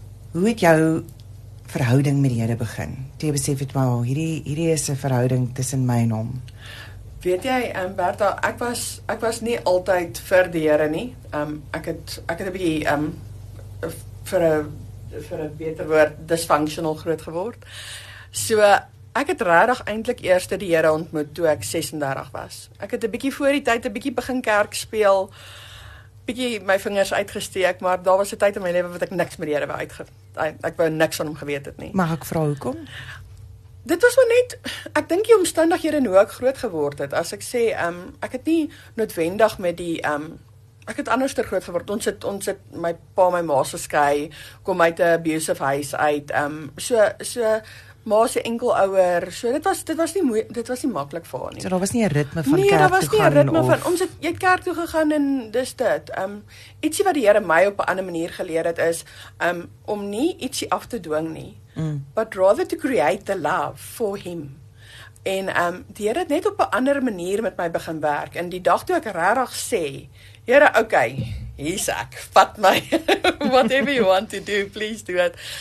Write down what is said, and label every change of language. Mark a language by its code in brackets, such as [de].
[af] Hoe het jou verhouding met die Here begin? Toe jy besef het, maar hierdie is 'n verhouding tussen my en hom. Weet jy, Bertha, ek was nie altyd vir die Here nie. Ek het 'n bietjie vir 'n beter woord dysfunctional groot geword. So ek het regtig eintlik eers die Here ontmoet toe ek 36 was. Ek het 'n bietjie voor die tyd 'n bietjie begin kerk speel, bietjie my vingers uitgesteek, maar daar was 'n tyd in my lewe wat ek niks met die Here wou ek wou niks van hom geweet het nie. Mag ek vra hoekom? Dit was maar net, ek dink die omstandighede in hoe ek groot geword het. As ek sê, ek het nie noodwendig met die, ek het anderster groot geword. Ons het my pa my ma se skei, kom uit 'n abusive huis uit. So ma se enkel ouer. So dit was nie maklik vir haar nie. So daar was nie 'n ritme van kerk toe gaan. Nee, daar was nie 'n ritme van ons het jy kerk toe gegaan en dis dit. Ietsie wat die Here my op 'n ander manier geleer het is, om nie ietsie af te dwing nie. [en] But rather to create the love for him. [af] En die Here het net op 'n ander manier met my begin werk. En die dag toe ek regtig sê, Here, okay, hier's ek, vat my. [en] Whatever you want to do, please do it.